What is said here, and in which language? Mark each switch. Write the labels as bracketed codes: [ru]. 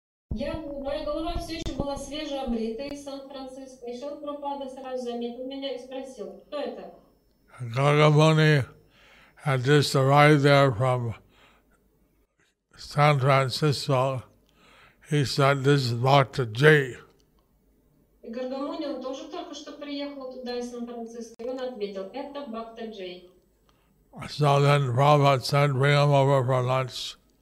[en] Gaga Muni had just arrived there from San Francisco. He said, "This is Bhakta J." [ru] Gargamuni, он тоже только что приехал туда из Сан-Франциско, и он ответил, это Бхакта Джей. [en] So then Prabhupada sent him over for lunch.